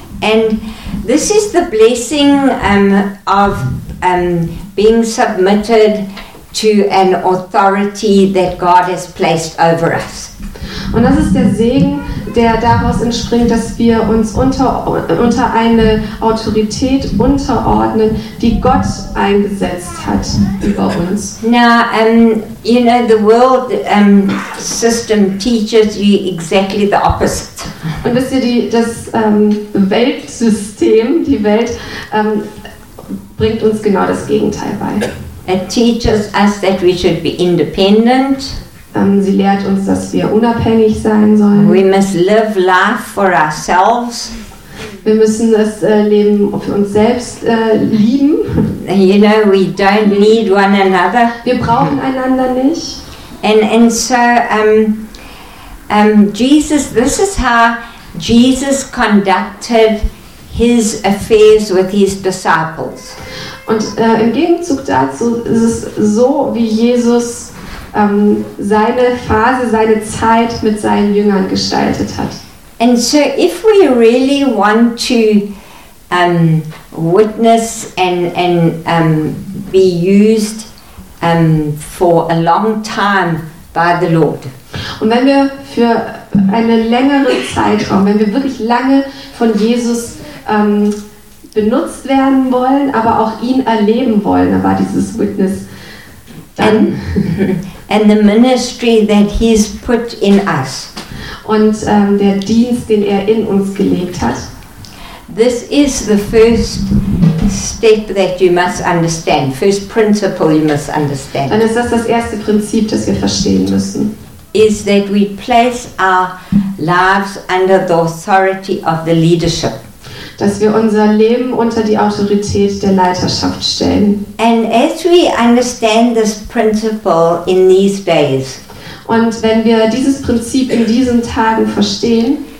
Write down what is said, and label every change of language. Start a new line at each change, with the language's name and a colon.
English: And this is the blessing of being submitted to an authority that God has placed over us.
German: Und das ist der Segen, der daraus entspringt, dass wir uns unter eine Autorität unterordnen, die Gott eingesetzt hat über uns.
English: Now, you know, the world system teaches you exactly the opposite.
German: Und wisst ihr, die Welt bringt uns genau das Gegenteil bei.
English: It teaches us that we should be independent.
German: Sie lehrt uns, dass wir unabhängig sein sollen.
English: We must live life for ourselves.
German: Wir müssen das Leben für uns selbst lieben.
English: You know, we don't need one another.
German: Wir brauchen einander nicht.
English: And so Jesus, this is how Jesus conducted his affairs with his disciples.
German: Und im Gegenzug dazu ist es so, wie Jesus seine Phase, seine Zeit mit seinen Jüngern gestaltet hat.
English: And so if we really want to witness and be used for a long time by the Lord.
German: Und wenn wir für eine längere Zeitraum, wenn wir wirklich lange von Jesus benutzt werden wollen, aber auch ihn erleben wollen, da war dieses Witness dann.
English: And the ministry that he's put in us.
German: Und der Dienst, den er in uns gelegt hat.
English: This is the first step that you must understand. First principle you must understand.
German: Dann ist das erste Prinzip, das wir verstehen müssen.
English: Is that we place our lives under the authority of the leadership.
German: Dass wir unser Leben unter die Autorität der Leiterschaft stellen.
English: And as we understand this principle in these days,
German: und wenn wir dieses Prinzip in diesen Tagen verstehen,